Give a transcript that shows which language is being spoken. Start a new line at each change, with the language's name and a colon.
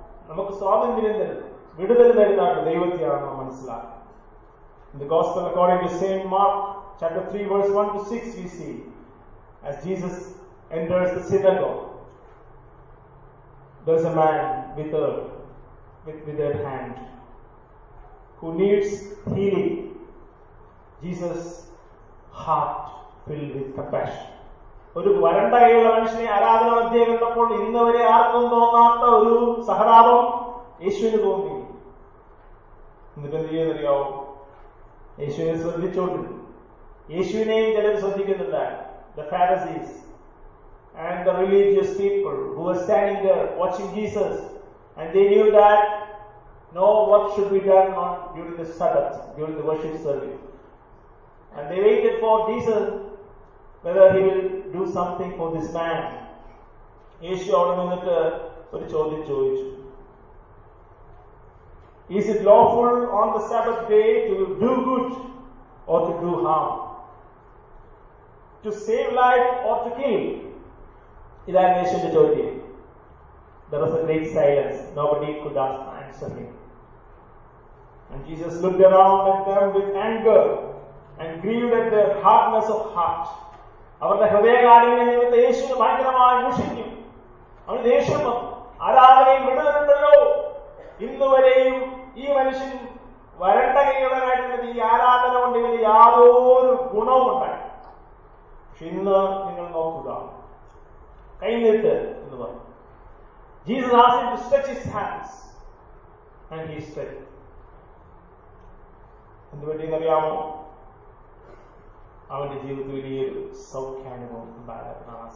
Malayalam: നമുക്ക് സ്വാതന്ത്ര്യം തരുന്നു, വിടുതൽ തരുന്നതാണ് ദൈവത്തെയാണ് നാം മനസ്സിലാക്കുന്നത്.
English: In the gospel according to Saint Mark chapter 3 verse 1 to 6 we see as Jesus enters the synagogue there's a man withered hand who needs healing. Jesus heart filled with compassion.
Malayalam: ഒരു വരണ്ട കൈയുള്ള മനുഷ്യനെ ആരാധന മധ്യേ കണ്ടപ്പോൾ ഇന്ന് വരെ ആർക്കും തോന്നാത്ത ഒരു സഹതാപം യേശുവിന് തോന്നി. എന്നിട്ട് എന്ത് ചെയ്യുന്നറിയോ, യേശുവിനെ ശ്രദ്ധിച്ചോണ്ടിരുന്നു. യേശുവിനെയും ചിലർ ശ്രദ്ധിക്കുന്നില്ല.
English: The Pharisees and the religious people who were standing there watching Jesus, and they knew that no work should be done on during the Sabbath, during the worship service. And they waited for Jesus whether he will do something for this man.
Malayalam: യേശു അവിടെ നിന്നിട്ട് ഒരു ചോദ്യം ചോദിച്ചു.
English: Is it lawful on the Sabbath day to do good or to do harm? To save life or to kill?
Malayalam: ഇതാണ് യേശുവിന്റെ ചോദ്യം.
English: There was a great silence. Nobody could answer him. And Jesus looked around at them with anger and grieved at their hardness of heart.
Malayalam: അവരുടെ ഹൃദയകാരുണ്യ നിമിത്തം യേശുവിനെ ഭയങ്കരമായി ദുഷിക്കും. അവന് ദേഷ്യം വന്നു. ആരാധനയും വിടുന്നുണ്ടല്ലോ, ഇന്നുവരെയും ഈ മനുഷ്യൻ വരണ്ട കൈയുള്ളതായിട്ടുള്ളത് ഈ ആരാധന കൊണ്ട് ഇതിന് യാതൊരു ഗുണവും ഉണ്ടായി. പക്ഷെ ഇന്ന് നിങ്ങൾ നോക്കുക, കൈനീട്ട് എന്ന് പറഞ്ഞു.
English: Jesus asked him to stretch his hands and he stretched.
Malayalam: എന്തുപറ്റി എന്നറിയാമോ, അവന്റെ ജീവിതത്തിൽ വലിയൊരു സൗഖ്യാനുഭവം ഉണ്ടായിരുന്നു.